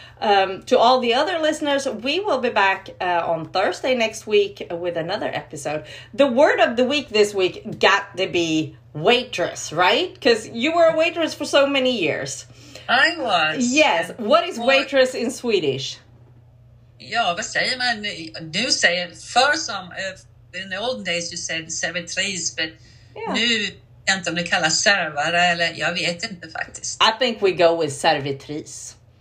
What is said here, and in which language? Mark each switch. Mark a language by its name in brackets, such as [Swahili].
[English] To all the other listeners, we will be back on Thursday next week with another episode. The word of the week this week got to be waitress, right? Because you were a waitress for so many years. I was. Yes. What is waitress in Swedish? [Swedish] Ja, vad säger man? Du säger först om, [English] in the olden days you said servitris, but [Swedish] nu vet jag inte om det kallas servare eller jag vet inte faktiskt. [English] I think we go with servitris.